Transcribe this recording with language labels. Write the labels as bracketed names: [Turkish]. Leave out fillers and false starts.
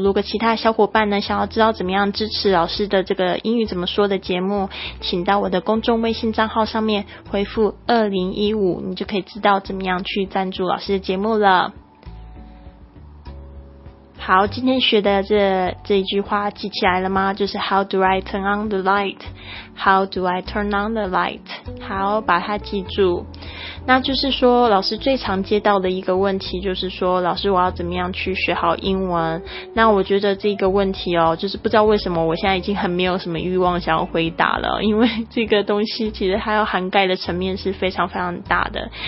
[Chinese] 如果其他小伙伴呢想要知道怎么样支持老师的这个英语怎么说的节目，请到我的公众微信账号上面回复2015，你就可以知道怎么样去赞助老师的节目了。好，今天学的这一句话记起来了吗？就是 [English] How do I turn on the light? How do I turn on the light? [Chinese] 好，把它记住。那就是说老师最常接到的一个问题就是说，老师我要怎么样去学好英文？那我觉得这个问题哦，就是不知道为什么我现在已经很没有什么欲望想要回答了，因为这个东西其实它要涵盖的层面是非常非常大的。